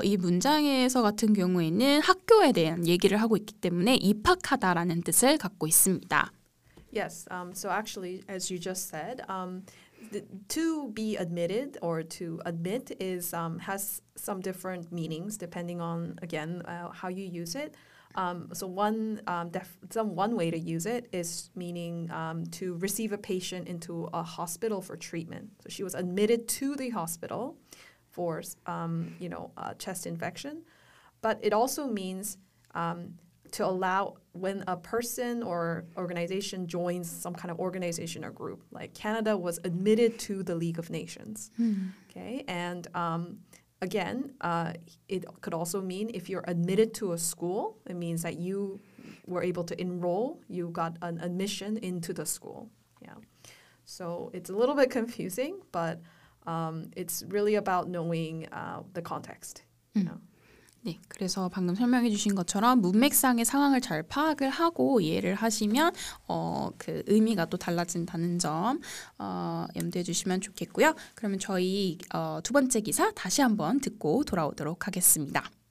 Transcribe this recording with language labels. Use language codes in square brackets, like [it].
[ko] 이 문장에서 같은 경우에는 학교에 대한 얘기를 하고 있기 때문에 입학하다라는 뜻을 갖고 있습니다. [en] Yes, so actually, as you just said, to be admitted or to admit is has some different meanings depending on, again, how you use it. One way to use it is meaning to receive a patient into a hospital for treatment. So she was admitted to the hospital for, you know, a chest infection. But it also means to allow when a person or organization joins some kind of organization or group. Like Canada was admitted to the League of Nations. Okay, and again, it could also mean if you're admitted to a school, it means that you were able to enroll, you got an admission into the school. Yeah. So it's a little bit confusing, but it's really about knowing the context. [ko] 네, 그래서 방금 설명해 주신 것처럼 문맥상의 상황을 잘 파악을 하고 이해를 하시면 그 의미가 또 달라진다는 점 염두해 주시면 좋겠고요. 그러면 저희 두 번째 기사 다시 한번 듣고 돌아오도록 하겠습니다.